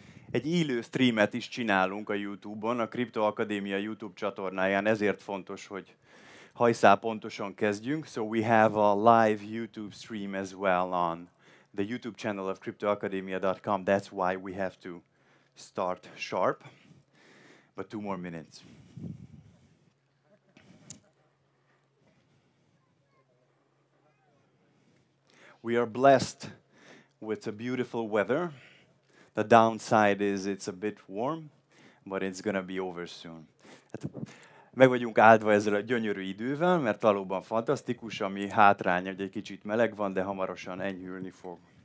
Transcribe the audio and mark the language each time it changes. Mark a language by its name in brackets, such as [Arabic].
[Hungarian] Egy élő streamet is csinálunk a YouTube-on, a Crypto Akadémia YouTube csatornáján, ezért fontos, hogy hajszál pontosan kezdjünk. [English] So we have a live YouTube stream as well on the YouTube channel of CryptoAcademia.com. That's why we have to start sharp. But two more minutes. We are blessed with a beautiful weather. The downside is it's a bit warm, but it's gonna be over soon. [Hungarian] Hát, meg vagyunk áldva ezzel a gyönyörű idővel, mert valóban fantasztikus, ami hátránya, hogy egy kicsit meleg van, de hamarosan enyhülni fog.